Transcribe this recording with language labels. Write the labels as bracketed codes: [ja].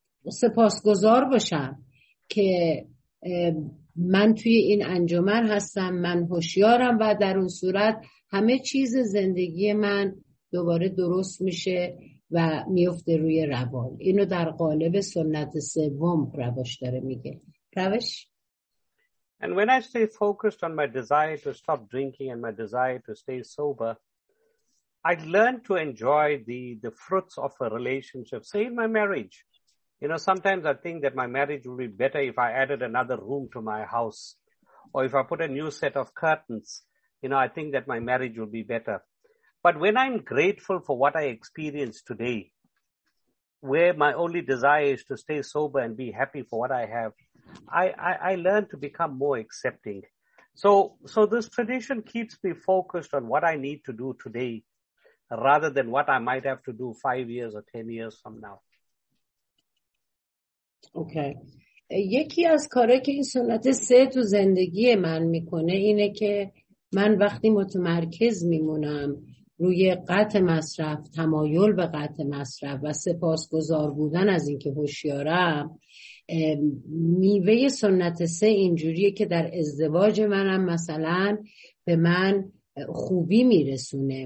[fa] سپاسگزار باشم که من توی این انجمن هستم، من هوشیارم و در اون صورت همه چیز زندگی من دوباره درست میشه و میفته روی روال. اینو در قالب سنت سوم روش داره میگه. روش؟ [en] And when I stay focused on my desire to stop drinking and my desire to stay sober, I learn to enjoy the fruits of a relationship, say in my marriage. You know, sometimes I think that my marriage would be better if I added another room to my house or if I put a new set of curtains. You know, I think that my marriage would be better. But when I'm grateful for what I experience today, where my only desire is to stay sober and be happy for what I have, I learn to become more accepting. So this tradition keeps me focused on what I need to do today rather than what I might have to do 5 years or 10 years from now. Okay. [fa] یکی از کارهایی که این سنت سه تو زندگی من میکنه اینه که من وقتی متمرکز میمونم روی قطع مصرف، تمایل به قطع مصرف و سپاسگزار بودن از اینکه هوشیارم، میوه سنت سه اینجوریه که در ازدواج منم مثلا به من خوبی میرسونه.